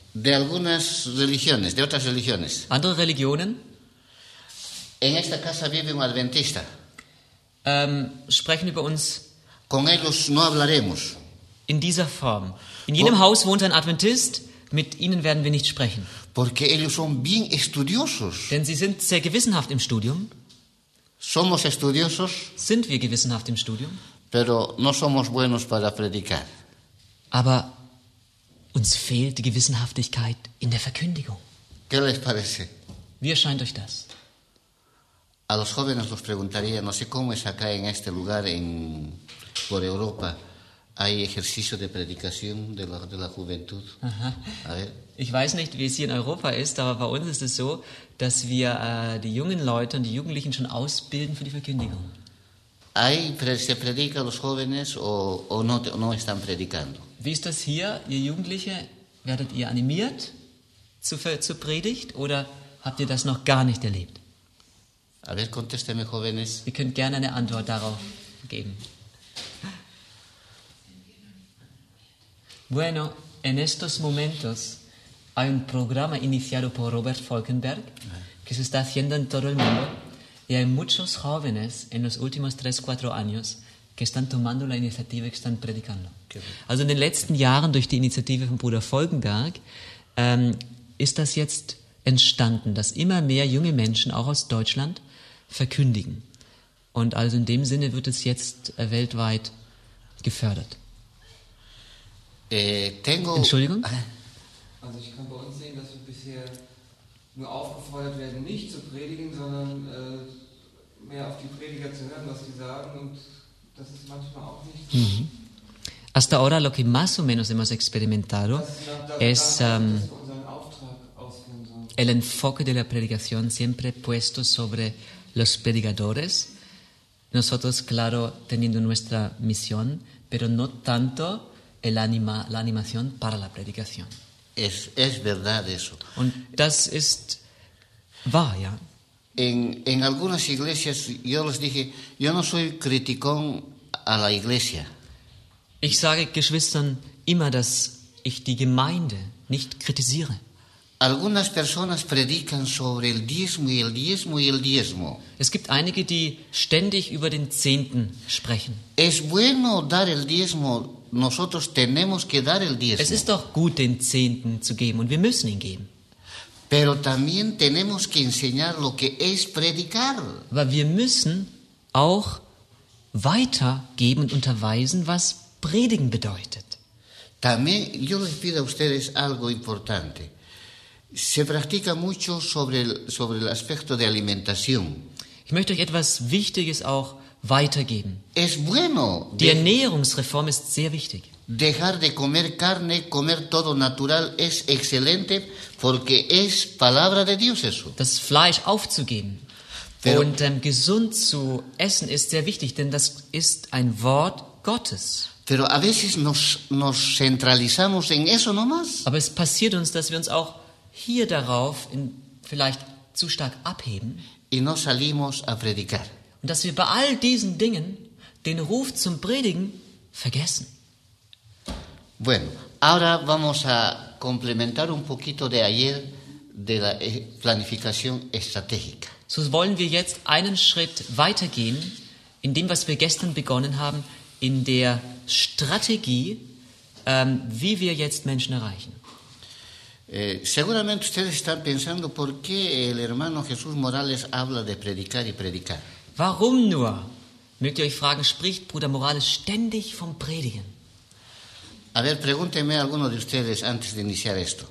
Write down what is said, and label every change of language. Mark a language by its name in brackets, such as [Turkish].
[Spanish] De algunas religiones, de otras religiones. [German] Andere Religionen. [Spanish] En esta casa vive un adventista. [German] Sprechen über uns. [Spanish] Con ellos no hablaremos. [German] In dieser Form. In jenem Haus wohnt ein Adventist, mit ihnen werden wir nicht sprechen. [Spanish] Porque ellos son bien estudiosos. [German] Denn sie sind sehr gewissenhaft im Studium. [Spanish] Somos estudiosos. [German] Sind wir gewissenhaft im Studium. [Spanish] Pero no somos buenos para predicar. [German] Aber uns fehlt die Gewissenhaftigkeit in der Verkündigung. [Spanish] ¿Qué les parece? [German] Wie erscheint euch das? [Spanish] A los jóvenes los preguntaría, no sé cómo es acá en este lugar, por Europa, hay ejercicio de predicación de la juventud. A ver. [German] Ich weiß nicht, wie es hier in Europa ist, aber bei uns ist es so, dass wir die jungen Leute und die Jugendlichen schon ausbilden für die Verkündigung. [Spanish] Ahí se predica los jóvenes o no están predicando. [German] Wie ist das hier, ihr Jugendliche? Werdet ihr animiert zur Predigt oder habt ihr das noch gar nicht erlebt? [Spanish] A ver, contésteme, jóvenes. [German] Ihr könnt gerne eine Antwort darauf geben. [Spanish] Bueno, en estos momentos hay un programa iniciado por Robert Falkenberg que se está haciendo en todo el mundo y hay muchos jóvenes en los últimos 3-4 años que están tomando la iniciativa y que están predicando. [German] Also in den letzten Jahren durch die Initiative von Bruder Falkenberg ist das jetzt entstanden, dass immer mehr junge Menschen auch aus Deutschland verkündigen. Und also in dem Sinne wird es jetzt weltweit gefördert. Entschuldigung? Also ich kann bei uns sehen, dass wir bisher nur aufgefordert werden, nicht zu predigen, sondern mehr auf die Prediger zu hören, was sie sagen. Und das ist manchmal auch nicht so. [Spanish] Hasta ahora lo que más o menos hemos experimentado el enfoque de la predicación siempre puesto sobre los predicadores. Nosotros, claro, teniendo nuestra misión, pero no tanto la animación para la predicación. Es verdad eso. [German] Und das ist wahr, ja. [Spanish] En algunas iglesias, yo les dije, yo no soy criticón a la iglesia. [German] Ich sage Geschwistern immer, dass ich die Gemeinde nicht kritisiere. [Spanish] Algunas personas predican sobre el diezmo y el diezmo y el diezmo. [German] Es gibt einige, die ständig über den Zehnten sprechen. [Spanish] Es bueno dar el diezmo. Nosotros tenemos que dar el diezmo. [German] Es ist doch gut, den Zehnten zu geben, und wir müssen ihn geben. [Spanish] Pero también tenemos que enseñar lo que es predicar. [German] Aber wir müssen auch weitergeben und unterweisen, was Predigen bedeutet. [Spanish] También yo les pido a ustedes algo importante. Se practica mucho sobre el aspecto de alimentación. [German] Ich möchte euch etwas Wichtiges auch weitergeben. [Spanish] Es bueno. [German] Die Ernährungsreform ist sehr wichtig. [Spanish] Dejar de comer carne, comer todo natural es excelente porque es palabra de Dios eso. [German] Das Fleisch aufzugeben. Pero, und gesund zu essen ist sehr wichtig, denn das ist ein Wort Gottes. [Spanish] Pero a veces nos centralizamos en eso nomás. [German] Aber es passiert uns, dass wir uns auch hier darauf vielleicht zu stark abheben. [Spanish] Y no salimos a predicar. [German] Und dass wir bei all diesen Dingen den Ruf zum Predigen vergessen. [Spanish] Bueno, ahora vamos a complementar un poquito de ayer de la planificación estratégica. [German] So wollen wir jetzt einen Schritt weitergehen in dem, was wir gestern begonnen haben, in der Strategie, wie wir jetzt Menschen erreichen. [Spanish] Seguramente ustedes están pensando por qué el hermano Jesús Morales habla de predicar y predicar. [German] Warum nur, mögt ihr euch fragen, spricht Bruder Morales ständig vom Predigen? [Spanish] A ver, pregúntenme a alguno de ustedes antes de iniciar esto.